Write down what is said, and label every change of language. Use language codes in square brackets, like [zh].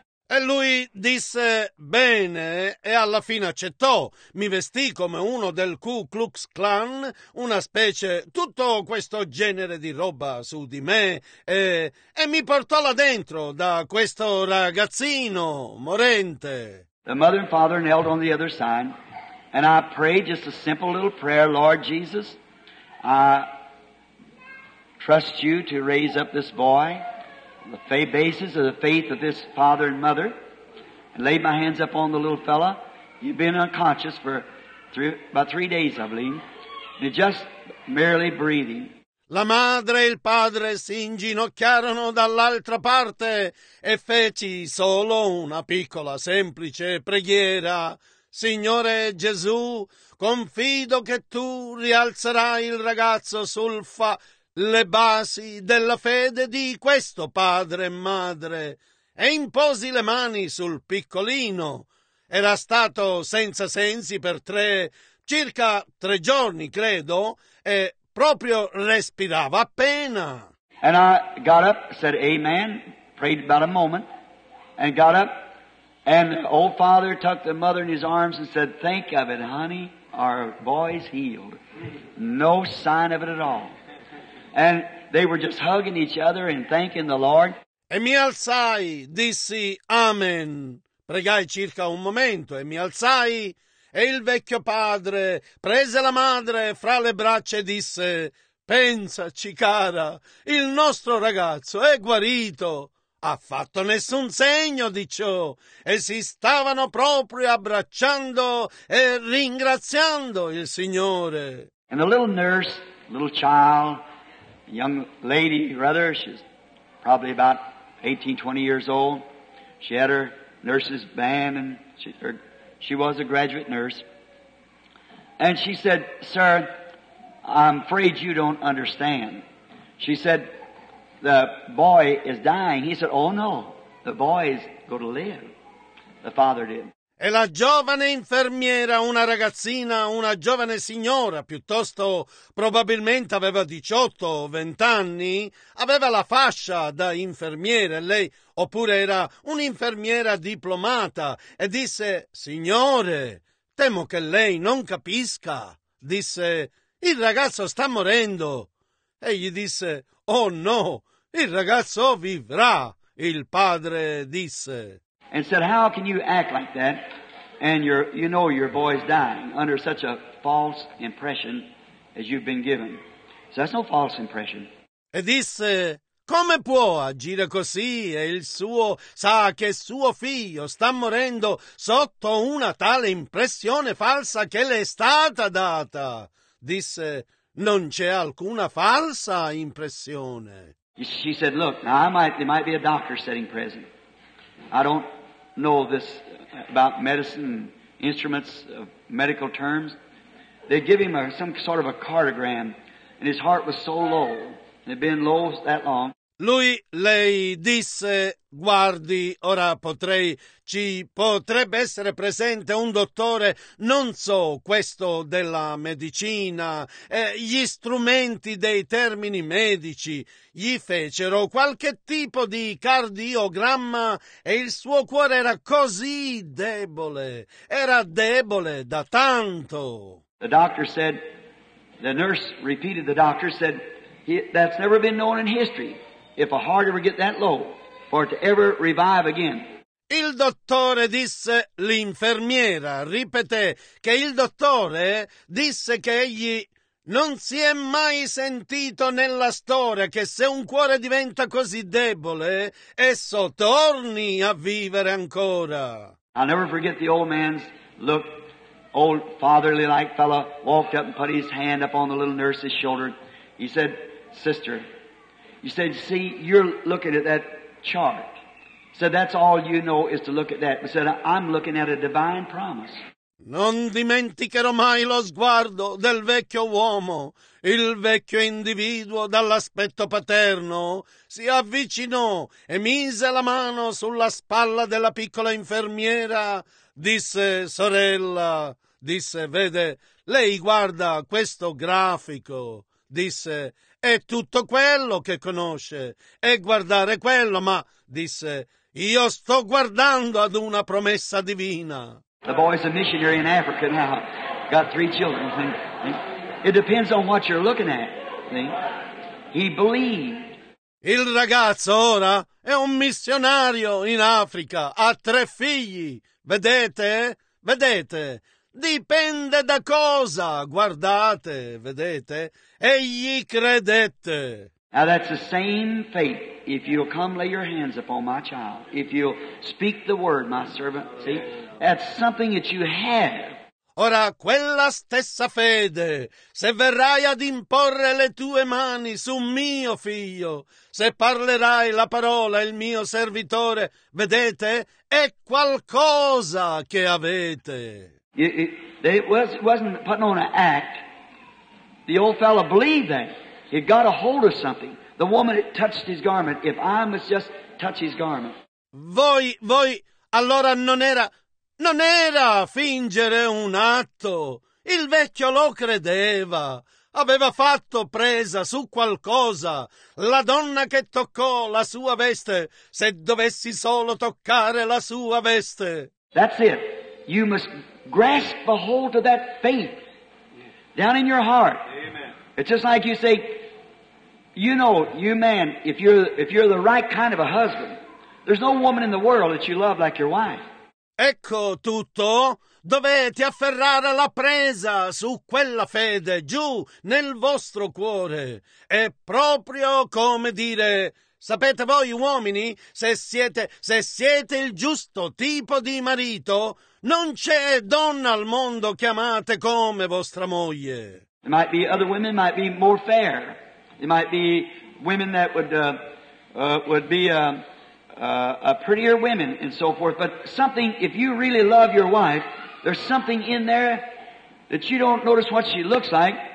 [it] E lui disse bene e alla fine accettò. Mi vestì come uno del Ku Klux Klan, una specie, tutto questo genere di roba su di me, e mi portò là dentro da questo ragazzino morente. [en] The mother and father knelt on the other side, and I prayed just a simple little prayer, Lord Jesus, I trust you to raise up this boy. The faith basis of the faith of this father and mother, and laid my hands up on the little fella. He'd been unconscious for about three days, I believe, and just merely breathing. [it] La madre e il padre si inginocchiarono dall'altra parte e feci solo una piccola, semplice preghiera. Signore Gesù, confido che tu rialzerai il ragazzo sul fa. Le basi della fede di questo padre e madre, e imposi le mani sul piccolino. Era stato senza sensi per circa tre giorni, credo, e proprio respirava appena. [en] And I got up, said amen, prayed about a moment, and got up, and the old father took the mother in his arms and said, think of it, honey, our boy's healed. No sign of it at all. And they were just hugging each other and thanking the Lord. [it] E mi alzai, dissi amen. Pregai circa un momento e mi alzai. E il vecchio padre prese la madre fra le braccia e disse, pensaci, cara, il nostro ragazzo è guarito. Ha fatto nessun segno di ciò. E si stavano proprio abbracciando e ringraziando il Signore. [en] And a little nurse, a little child, young lady, rather, she's probably about 18, 20 years old. She had her nurse's band, and she was a graduate nurse. And she said, sir, I'm afraid you don't understand. She said, the boy is dying. He said, oh no, the boy is going to live. The father did. [it] E la giovane infermiera, una ragazzina, una giovane signora, piuttosto probabilmente aveva 18 o 20 anni, aveva la fascia da infermiera, lei oppure era un'infermiera diplomata, e disse, signore, temo che lei non capisca. Disse, il ragazzo sta morendo. E gli disse, oh no, il ragazzo vivrà, il padre disse. [en] And said, how can you act like that, and you know your boy's dying under such a false impression as you've been given? So that's no false impression. [it] E disse, come può agire così, e il suo, sa che suo figlio sta morendo sotto una tale impressione falsa che le è stata data? Disse, non c'è alcuna falsa impressione. [en] She said, look, now there might be a doctor sitting present. I don't know this about medicine instruments of medical terms. They give him some sort of a cardiogram, and his heart was so low, it had been low that long. [it] Lui, lei disse, guardi, ora potrebbe essere presente un dottore, non so questo della medicina, gli strumenti dei termini medici, gli fecero qualche tipo di cardiogramma e il suo cuore era così debole, era debole da tanto. [en] The doctor said, the nurse repeated, the doctor said, that's never been known in history. If a heart ever get that low, for it to ever revive again. [it] Il dottore disse, l'infermiera ripeté che il dottore disse che egli non si è mai sentito nella storia che se un cuore diventa così debole, esso torni a vivere ancora. [en] I'll never forget the old man's look, old fatherly-like fellow, walked up and put his hand up on the little nurse's shoulder. He said, sister, he said, see, you're looking at that chart. He said, that's all you know is to look at that. He said, I'm looking at a divine promise. [it] Non dimenticherò mai lo sguardo del vecchio uomo. Il vecchio individuo dall'aspetto paterno si avvicinò e mise la mano sulla spalla della piccola infermiera. Disse, sorella, disse, vede, lei guarda questo grafico, disse, è tutto quello che conosce, è guardare quello, ma, disse, io sto guardando ad una promessa divina. [en] The boy's a missionary in Africa now, got three children. It depends on what you're looking at. He believed. [it] Il ragazzo ora è un missionario in Africa, ha tre figli. Vedete? Vedete? Dipende da cosa? Guardate, vedete? Egli credette. [en] Now that's the same faith. If you'll come lay your hands upon my child, if you'll speak the word, my servant, see? That's something that you have. [it] Ora, quella stessa fede, se verrai ad imporre le tue mani su mio figlio, se parlerai la parola, il mio servitore, vedete, è qualcosa che avete. [en] It wasn't putting on an act. The old fellow believed that. He got a hold of something. The woman that touched his garment, if I must just touch his garment. [it] Voi, allora non era fingere un atto. Il vecchio lo credeva. Aveva fatto presa su qualcosa. La donna che toccò la sua veste, se dovessi solo toccare la sua veste. [en] That's it. You must grasp a hold of that faith down in your heart. Amen. It's just like you say, you know, you man, if you're the right kind of a husband, there's no woman in the world that you love like your wife. [it] Ecco tutto, dovete afferrare la presa su quella fede giù nel vostro cuore. È proprio come dire, sapete voi uomini, se siete il giusto tipo di marito, non c'è donna al mondo che amate come vostra moglie. [en] There might be other women, might be more fair. There might be women that would be a prettier women and so forth, but something, if you really love your wife, there's something in there that you don't notice what she looks like.